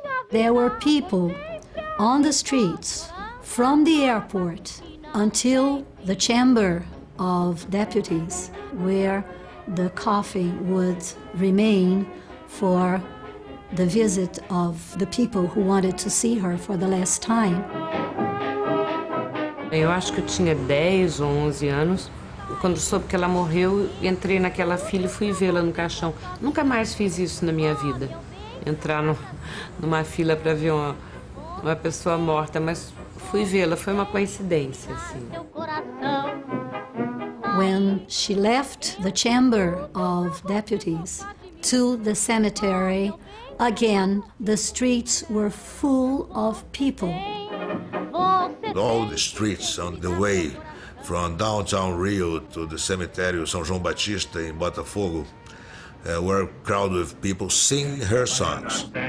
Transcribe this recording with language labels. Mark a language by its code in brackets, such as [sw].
[en] There were people on the streets from the airport until the chamber of deputies where the coffin would remain for the visit of the people who wanted to see her for the last time. [pt] Eu acho que eu tinha 10 ou 11 anos. Quando soube que ela morreu, entrei naquela fila e fui vê-la no caixão. Nunca mais fiz isso na minha vida, entrar no, numa fila para ver uma pessoa morta, mas fui vê-la, foi uma coincidência, assim. [en] When she left the chamber of deputies to the cemetery, again, the streets were full of people. All the streets on the way from downtown Rio to the cemetery of São João Batista in Botafogo were crowded with people singing her songs.